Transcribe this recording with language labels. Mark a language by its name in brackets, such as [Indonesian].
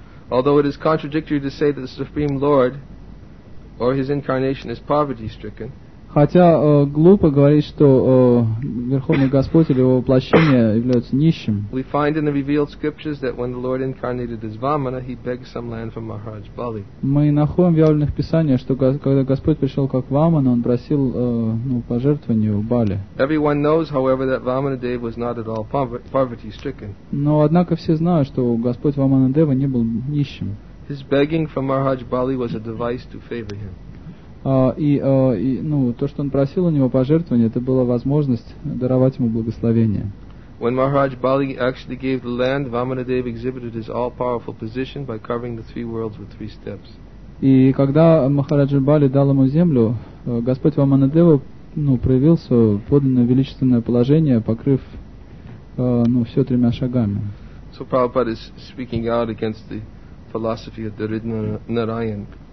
[English] Although it is contradictory to say that the Supreme Lord or his incarnation is poverty stricken. [Russian] Хотя глупо говорить, что Верховный Господь или его воплощение является нищим. [English] We find in the revealed scriptures that when the Lord incarnated as Vamana, he begged some land from Maharaj Bali. [Russian] Мы находим в явленных писаниях, что когда Господь пришел как Вамана, он просил пожертвование у Бали. [English] Everyone knows, however, that Vamanadeva was not at all poverty stricken. [Russian] Но однако все знают, что Господь Ваманадева не был нищим. [English] His begging from Maharaj Bali was a device to favor him. [Russian] То, что он просил у него пожертвования, это была возможность даровать ему благословение. [English] When Maharaj Bali actually gave the land, Vamanadeva exhibited his all-powerful position by covering the three worlds with three steps. [Russian] И когда Махараджа Бали дал ему землю, Господь Ваманадева проявил свое подлинное величественное положение, покрыв все тремя шагами. [English] So Prabhupada is speaking out against the philosophy of Dharidra Narayan.